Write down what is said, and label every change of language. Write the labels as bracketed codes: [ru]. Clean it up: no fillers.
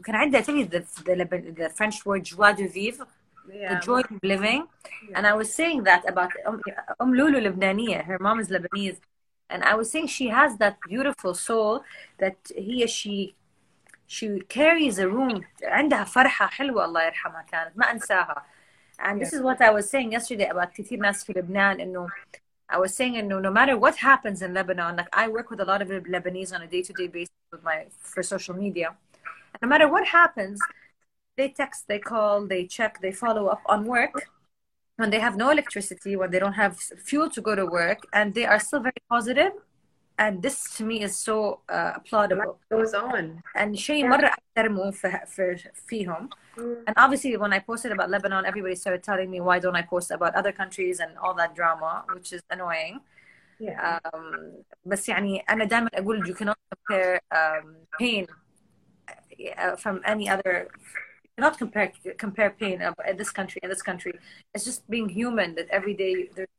[en] Can I tell you the French word joie de vivre, the joy of living? Yeah. And I was saying that about Lulu Lebanese. Her mom is Lebanese, and I was saying she has that beautiful soul that she carries a room. [ar] عندها فرحة حلوة الله يرحمها كانت ما أنساها. [en] And this is what I was saying yesterday about [ar] كثير ناس في لبنان. [en] I was saying, no matter what happens in Lebanon, like I work with a lot of Lebanese on a day-to-day basis for social media. No matter what happens, they text, they call, they check, they follow up on work when they have no electricity, when they don't have fuel to go to work, and they are still very positive. And this to me is so applaudable. It goes on. And [ar] شيء مرة أحترمه في فيهم. [en] And obviously, when I posted about Lebanon, everybody started telling me, why don't I post about other countries and all that drama, which is annoying. Yeah. [ar] بس يعني أنا دائما أقول [en] you cannot compare pain from any other. You cannot compare pain in this country. It's just being human that every day there's